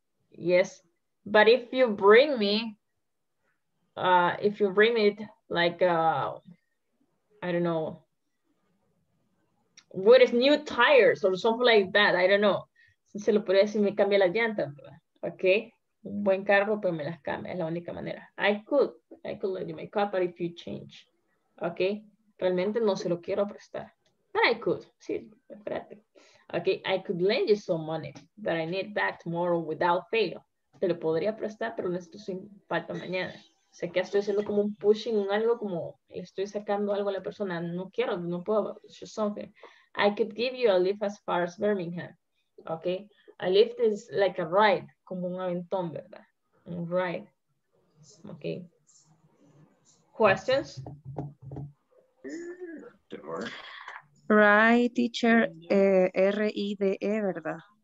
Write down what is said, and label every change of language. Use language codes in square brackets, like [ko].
[en] Yes, but if you bring it like, I don't know, what is new tires or something like that, I don't know. [es] Se lo podría decir, me cambia la llanta, [en] okay. [es] un buen carro, pero me las cambia. Es la única manera. [en] I could lend you my car, but if you change. [es] Ok. Realmente no se lo quiero prestar. [en] But I could. [es] Sí, espérate. Ok. [en] I could lend you some money, but I need back tomorrow without fail. [es] Te lo podría prestar, pero necesito sin falta mañana. O sea, que estoy haciendo como un pushing, un algo como estoy sacando algo a la persona. No quiero, no puedo. [en] It's just something. I could give you a lift as far as Birmingham. Ok. A lift is like a ride, [es] como un aventón, ¿verdad? Un ride. Ok. Questions? [en] Right, teacher. R-I-D-E, [es] ¿verdad?